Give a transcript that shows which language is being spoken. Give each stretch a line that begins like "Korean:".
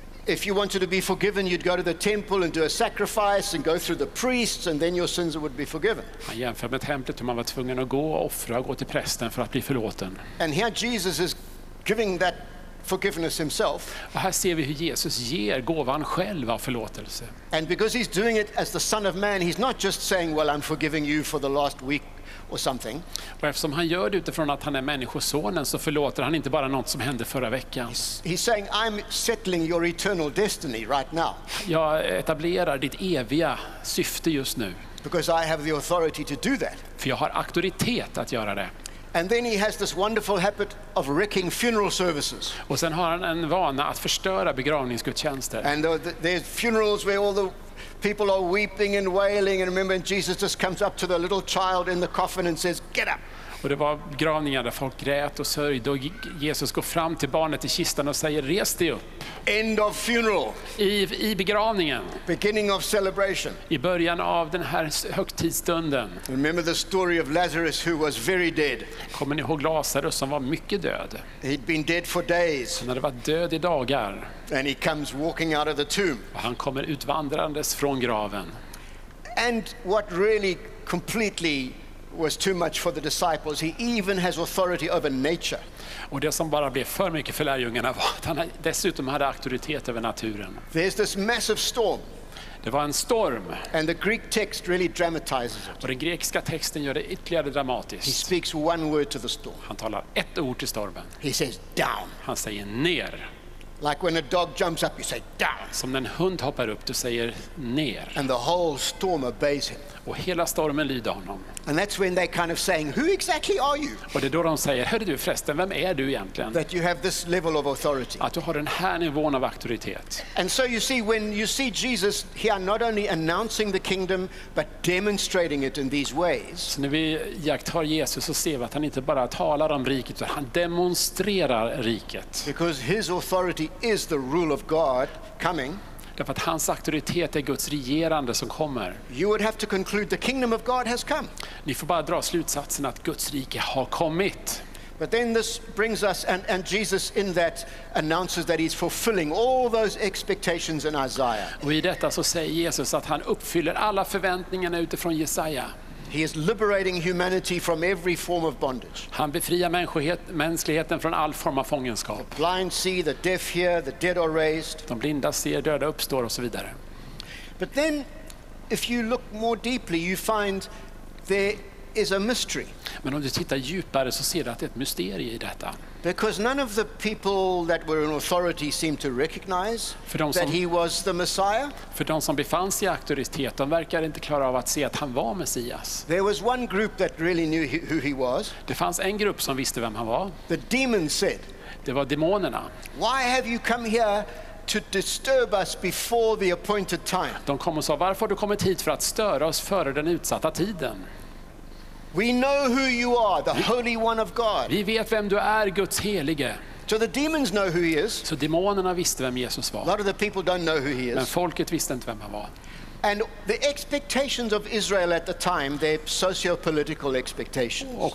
English: If you wanted to be forgiven, you'd go to the temple and do a sacrifice and go through the priests and then your sins would be forgiven.
Swedish: Han jämför med templet där man var tvungen att gå och offra och gå till prästen för att bli förlåten.
English: And here Jesus is giving that forgiveness himself.
Swedish: Och här ser vi hur Jesus ger gåvan själv av förlåtelse.
English: And because he's doing it as the Son of Man, he's not just saying, well, I'm forgiving you for the last week. Or something.
Swedish: Och eftersom han gör det utifrån att han är människosonen så förlåter han inte bara något som hände förra veckan.
English: He's saying, I'm settling your eternal destiny right now.
Swedish: Jag etablerar ditt eviga syfte just nu.
English: Because I have the authority to do that.
Swedish: För jag har auktoritet att göra det.
English: And then he has this wonderful habit of wrecking funeral services.
Swedish: Och sen har han en vana att förstöra begravningsgudstjänster.
English: And there's funerals where all the people are weeping and wailing, and remember, Jesus just comes up to the little child in the coffin and says, "Get up."
Swedish: Och det var begravningar där folk grät och sörjde, och Jesus går fram till barnet i kistan och säger, "Res dig upp."
English: End of funeral.
Swedish: I begravningen.
English: Beginning of celebration.
Swedish: I början av den här högtidsstunden.
English: Remember the story of Lazarus who was very dead.
Swedish: Kommer ni ihåg Lazarus som var mycket död?
English: He'd been dead for days.
Swedish: Han hade varit död i dagar.
English: And he comes walking out of the tomb.
Swedish: Och han kommer utvandrandes från graven.
English: And what really completely was too much for the disciples. He even has authority over nature.
Swedish: Och det som bara blev för mycket för lärjungarna var att han dessutom hade auktoritet över naturen.
English: There's this massive storm.
Swedish: Det var en storm.
English: And the Greek text really dramatizes it.
Swedish: Och den grekiska texten gör det ytterligare dramatiskt.
English: He speaks one word to the storm.
Swedish: Han talar ett ord till stormen.
English: He says down.
Swedish: Han säger ner.
English: Like when a dog jumps up, you say down.
Swedish: Som när en hund hoppar upp, du säger ner.
English: And the whole storm obeys him.
Swedish: Och hela stormen lyder honom.
English: And that's when they kind of saying, "Who exactly are you?"
Swedish: Och det är då de säger, "Hör du förresten, vem är du egentligen?"
English: That you have this level of authority.
Swedish: Att du har den här nivån av auktoritet.
English: And so you see, when you see Jesus, he are not only announcing the kingdom but demonstrating it in these ways.
Swedish: Så när vi iakttar Jesus, så ser vi att han inte bara talar om riket, utan han demonstrerar riket.
English: Because his authority is the rule of God coming.
Swedish: Därför att hans auktoritet är Guds regerande som kommer.
English: You would have to conclude the kingdom of God has come.
Swedish: Ni får bara dra slutsatsen att Guds rike har kommit.
English: But then this brings us, and Jesus in that announces that he's fulfilling all those expectations in Isaiah.
Swedish: Och i detta så säger Jesus att han uppfyller alla förväntningarna utifrån Jesaja.
English: He is liberating humanity from every form of bondage.
Swedish: Han befriar mänskligheten från all form av fångenskap.
English: The blind see, the deaf hear, the dead are raised.
Swedish: De blinda ser, döda uppstår och så vidare.
English: But then if you look more deeply, you find there is a mystery.
Swedish: Men om du tittar djupare så ser du att det är ett mysterium i detta.
English: Because none of the people that were in authority seemed to recognize that he was the Messiah.
Swedish: För de som befann sig i auktoritet, de verkar inte klara av att se att han var Messias.
English: There was one group that really knew who he was.
Swedish: Det fanns en grupp som visste vem han var.
English: The demons said.
Swedish: Det var demonerna.
English: Why have you come here to disturb us before the appointed time?
Swedish: De kom och sa, varför har du kommit hit för att störa oss före den utsatta tiden?
English: We know who you are, the Holy One of God.
Swedish: Vi vet vem du är, Guds helige.
English: So the demons know who he is.
Swedish: Så demonerna visste vem Jesus var.
English: A lot of the people don't know who he is.
Swedish: Men folket visste inte vem han var.
English: And the expectations of Israel at the time, their socio-political expectations.